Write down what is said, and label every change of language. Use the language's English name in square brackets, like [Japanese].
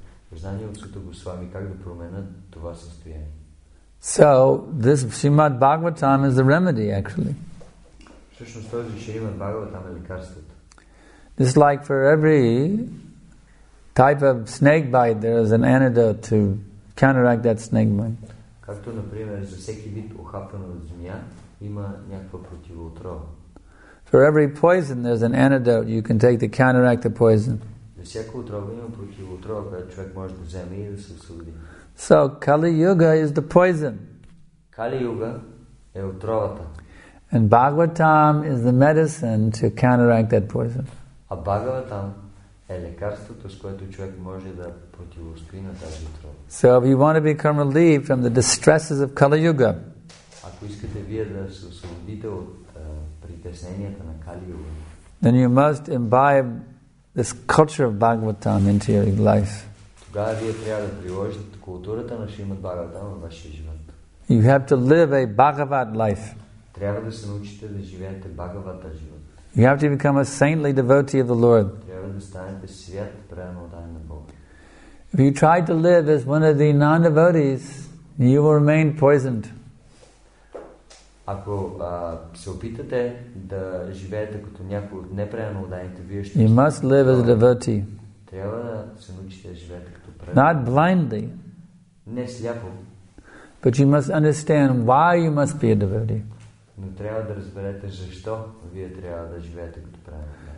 [Bulgarian] Знание от Сута Госвами, как да променят това състояние. [English] So this Srimad Bhagavatam is the remedy, actually. Just like for every type of snake bite, there is an antidote to counteract that snake bite. [Bulgarian] Както, например, за всеки вид ухапана от змия, има някаква противоотрова. [English] For every poison, there's an antidote you can take to counteract the poison. [Bulgarian] За всяка отрова има противоотрова, която човек може да вземе и да се освободи. [English] So, Kali Yuga is the poison. [Bulgarian] Kali Yuga е отровата. [English] And Bhagavatam is the medicine to counteract that poison. [Bulgarian] А Бхагаватам е лекарството, с което човек може да противостои на тази отрова. [English] So, if you want to become relieved from the distresses of Kali Yuga, [Bulgarian] ако искате вие да се освободите от притесненията на Kali Yuga, [English] then you must imbibe this culture of Bhagavatam into your life. [Bulgarian] Тогава вие трябва да приложите културата на Шримад Бхагаватам във вашия живот. [English] You have to live a Bhagavat life. [Bulgarian] Трябва да се научите да живеете Бхагавата живот. [English] You have to become a saintly devotee of the Lord. [Bulgarian] Трябва да станете свят преданник на Бога. [English] If you try to live as one of the non-devotees, you will remain poisoned. [Bulgarian] Ако се опитате да живеете като някой от непреданиците, вие ще... [English] You must live as a devotee. [Bulgarian] Трябва да се научите да живеете като преданник. [English] Not blindly. [Bulgarian] Не сляпо. [English] But you must understand why you must be a devotee. [Bulgarian] Но трябва да разберете защо вие трябва да живеете като преданник.